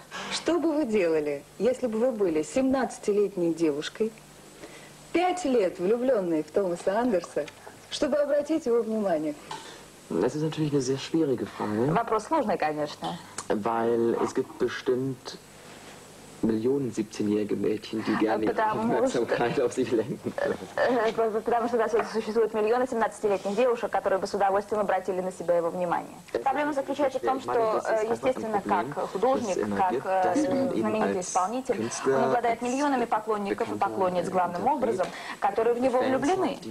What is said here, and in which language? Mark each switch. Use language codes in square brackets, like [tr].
[ru] Что бы вы делали, если бы вы были 17-летней девушкой, 5 лет влюбленной в Томаса Андерса, чтобы обратить его внимание? [de] Das ist natürlich eine sehr schwierige Frage. [ru] Вопрос сложный, конечно. [de] Weil es gibt bestimmt Millionen 17-jährige Mädchen, die gerne ihre Aufmerksamkeit auf sich lenken. [ru] Потому что существует миллионы 17-летних девушек, которые бы с удовольствием обратили на себя его внимание. Проблема заключается в том, что, естественно, как художник, как знаменитый исполнитель, он обладает миллионами поклонников и поклонниц, главным образом, которые в него влюблены.